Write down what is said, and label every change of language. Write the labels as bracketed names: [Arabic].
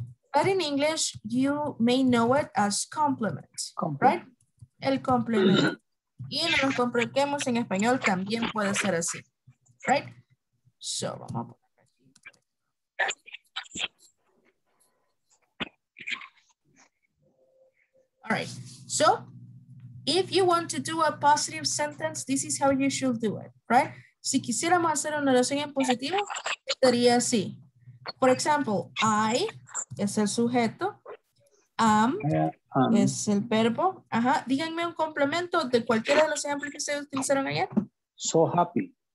[English] But in English, you may know it as complement. Right? [Spanish] El complemento. Y no nos compliquemos en español, también puede ser así. [English] Right? So, [Spanish] vamos a poner aquí. [English] Okay. All right. So if you want to do a positive sentence, this is how you should do it, right? [Spanish] Si quisiéramos hacer una oración en positivo, sería así. [English] For example, [Spanish] I es el sujeto. Am es el verbo. Ajá. Díganme un complemento de cualquiera de los ejemplos que se utilizaron ayer. [English] So happy.